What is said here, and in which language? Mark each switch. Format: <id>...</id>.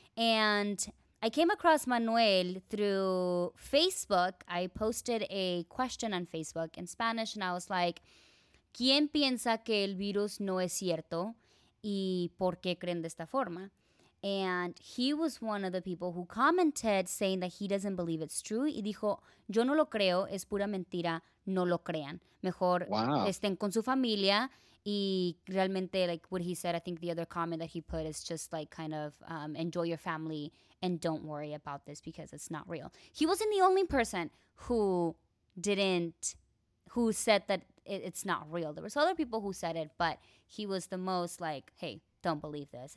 <en>And I came across Manuel through Facebook. I posted a question on Facebook in Spanish, and I was like,</en> <es>¿Quién piensa que el virus no es cierto? ¿Y por qué creen de esta forma?</es> <en>And he was one of the people who commented saying that he doesn't believe it's true.</en> <es>Y dijo, yo no lo creo, es pura mentira, no lo crean. Mejor estén con su familia. Y realmente,</es> <en>like what he said, I think the other comment that he put is just like kind of enjoy your family and don't worry about this because it's not real. He wasn't the only person who said that it's not real. There was other people who said it, but he was the most like, hey, don't believe this.</en>